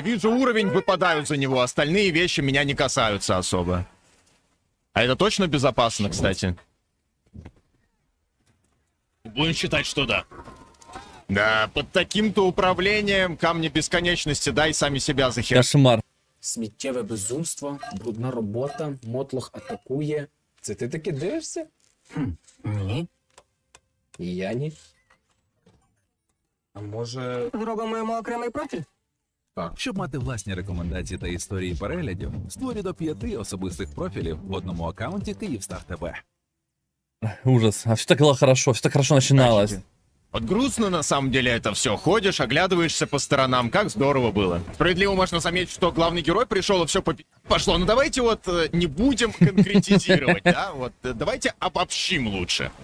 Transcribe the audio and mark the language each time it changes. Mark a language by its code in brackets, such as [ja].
[ru] Вижу уровень, выпадаю за него. Остальные вещи меня не касаются особо. А это точно безопасно, кстати? Будем считать, что да. Да, под таким-то управлением камни бесконечности, дай сами себя захер. Кошмар. [uk] Сміттєве безумство, брудна робота, мотлох атакує. Це ти таки дивишся? Ні. І я ні. А може... Зробимо йому окремий профіль? Так. Щоб мати власні рекомендації та історії переглядів, створі до 5 особистих профілів в одному аккаунті Київстар.ТВ. [ru] Ужас. А все так было хорошо, все так хорошо начиналось. Вот грустно на самом деле это все. Ходишь, оглядываешься по сторонам, как здорово было. Справедливо можно заметить, что главный герой пришел и все пошло. Ну давайте вот не будем конкретизировать, да? Вот давайте обобщим лучше.